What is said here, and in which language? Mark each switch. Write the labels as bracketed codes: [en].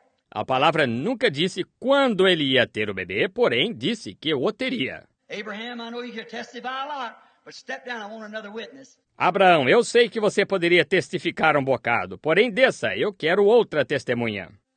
[pt] A palavra nunca disse quando ele ia ter o bebê, porém disse que o teria. [en] Abraham, I know you can testify a lot, but step down, I want another witness. [pt] Abraão, eu sei que você poderia testificar um bocado, porém desça, eu quero outra testemunha.